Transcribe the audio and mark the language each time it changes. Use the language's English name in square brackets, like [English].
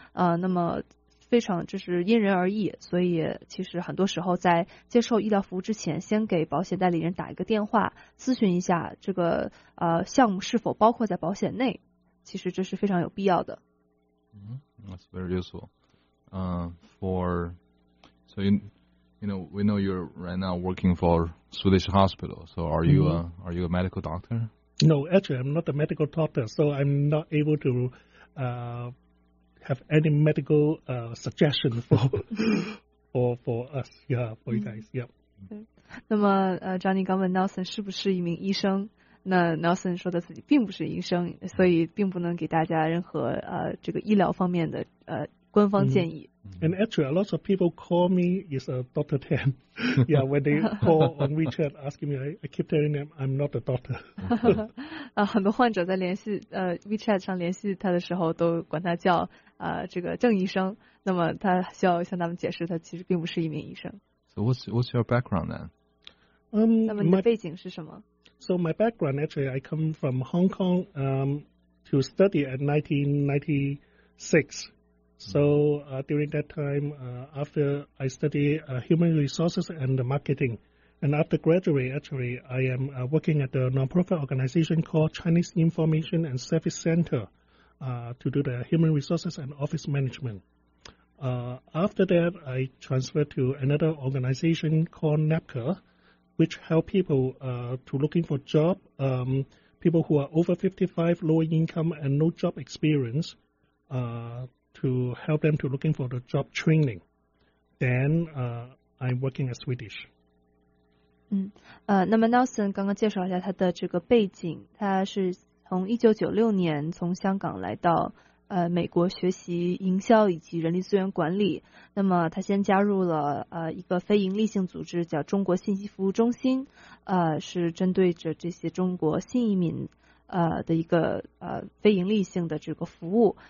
[Chinese] 那么非常就是因人而异，所以其实很多时候在接受医疗服务之前，先给保险代理人打一个电话，咨询一下这个项目是否包括在保险内，其实这是非常有必要的。 [English] That's very useful. So we know you're right now working for Swedish Hospital. So are you a medical doctor? No, actually I'm not a medical doctor, so I'm not able to have any medical suggestion for us, yeah, for you guys, yeah. [Chinese] 那么Johnny 刚问 Nelson 是不是一名医生，那 Nelson 说的自己并不是医生，所以并不能给大家任何这个医疗方面的官方建议。 [English] And actually, a lot of people call me is a Dr. Tan. Yeah, when they call on WeChat asking me, I keep telling them I'm not a doctor. [Chinese] 很多患者在联系WeChat 上联系他的时候，都管他叫这个郑医生。那么他需要向他们解释，他其实并不是一名医生。 [English] So what's your background then? [Chinese] 那么你的背景是什么？ [English] So my background actually, I come from Hong Kong to study at 1996. So during that time, after I study human resources and marketing, and after graduate, actually, I am working at a non-profit organization called Chinese Information and Service Center to do the human resources and office management. After that, I transferred to another organization called NAPCA, which help people to looking for job, people who are over 55, lower income, and no job experience, to help them to looking for the job training. Then I'm working at Swedish. [Chinese] 那么 Nelson 刚刚介绍一下他的这个背景，他是从1996年从香港来到美国学习营销以及人力资源管理。那么他先加入了一个非盈利性组织叫中国信息服务中心，是针对着这些中国新移民的一个非盈利性的这个服务。